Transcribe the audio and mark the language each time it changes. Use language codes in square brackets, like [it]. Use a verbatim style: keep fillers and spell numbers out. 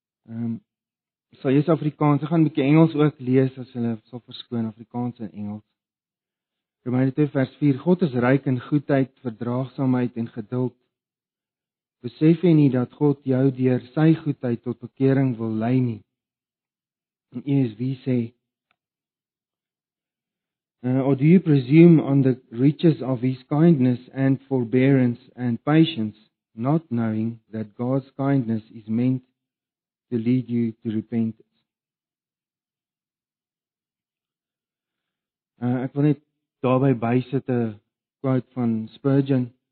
[af] Ehm um, sal jy Afrikaans, ek gaan 'n bietjie Engels ook lees as hulle sal verskoon, Afrikaans en Engels. Romeine twee vers vier: God is ryk in goedheid, verdraagsaamheid en geduld. Besef jy nie dat God jou deur sy goedheid tot bekering wil lei nie? En E S V sê, [en] Uh, or do you presume on the riches of his kindness and forbearance and patience, not knowing that God's kindness is meant to lead you to repentance? [af] Uh, ek wil net daarby bysit 'n quote van Spurgeon.